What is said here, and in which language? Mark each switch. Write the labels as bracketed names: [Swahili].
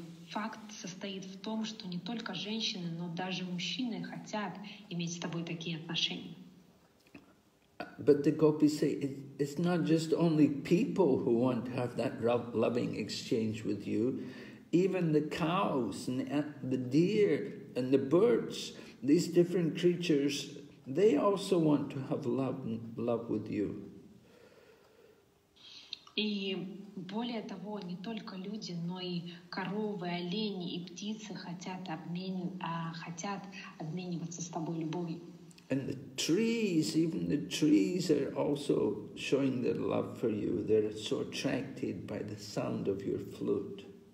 [Russian] Факт состоит в том, что не только женщины, но даже мужчины хотят иметь с тобой такие отношения. [English] But the gopis say it's not just only people who want to have that loving exchange with you. Even the cows and the deer and the birds, these different creatures, they also want to have love with you. [Russian] И более того, не только люди, но и коровы, олени и птицы хотят обмениваться с тобой любовью. [English] And the trees, even the trees are also showing their love for you. They're so attracted by the sound of your flute.